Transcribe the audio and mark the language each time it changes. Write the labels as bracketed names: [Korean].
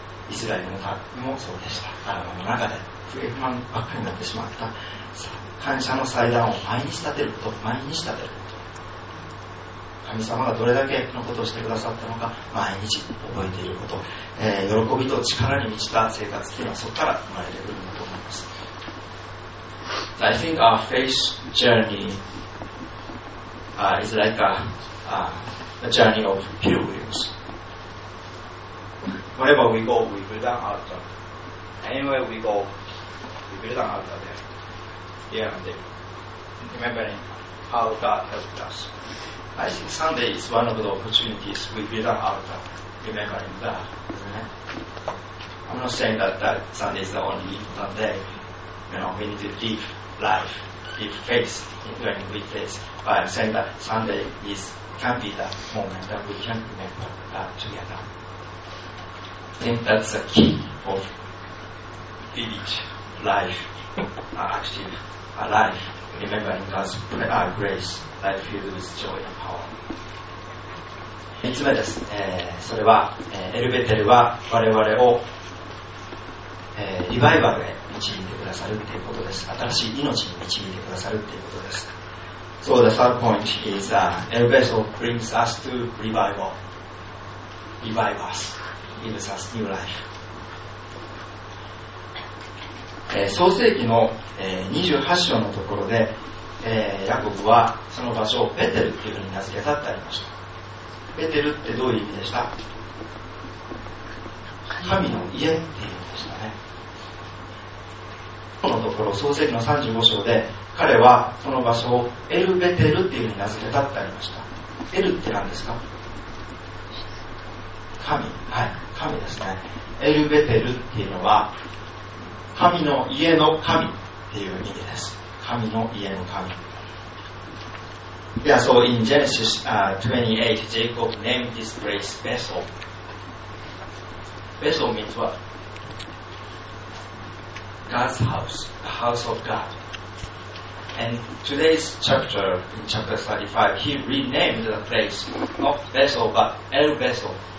[Japanese] イスラエルの民もそうでした。アラマの中で不平不満ばっかりになってしまった。感謝の祭壇を毎日立てること、毎日立てること。神様がどれだけのことをしてくださったのか、毎日覚えていること。喜びと力に満ちた生活というのはそこから生まれてくるんだと思います。 [English] I think our faith journey is like a journey of pilgrims. Wherever we go, we build an altar. Anywhere we go, we build an altar there. Here and there. Remembering how God helped us. I think Sunday is one of the opportunities we build an altar. Remembering God. I'm not saying that Sunday is the only important day. You know, we need to live.Life, live faith in during weekdays. But I'm saying that Sunday is キャンピーだ、もうダブルキャンピーだ、ダブルチャンピーだ。 Think that's the key of village life, active, alive, remembering God's grace, life filled with joy and power. [Japanese] 3つ目です、それは、エルベテルは我々を、リバイバルへ導いてくださるということです。新しい命に導いてくださるということです。 [English] So the third point is El Beto brings us to revival. Revive us, gives us new life、 [Japanese] 創世記の、28章のところで、ヤコブはその場所をベテルというふうに名付けたってありました。ベテルってどういう意味でした？神の家っていう意味でしたね。このところ創世記の35章で彼はこの場所をエルベテルっていうふうに名付けたってありました。エルって何ですか？神、はい、神ですね。エルベテルっていうのは神の家の神っていう意味です。神の家の神。 [English] Yeah, so in Genesis 28, Jacob named this place Bethel. Bethel means what? God's house, the house of God. And today's chapter, in chapter 35, he renamed the place, not Bethel, but El Bethel.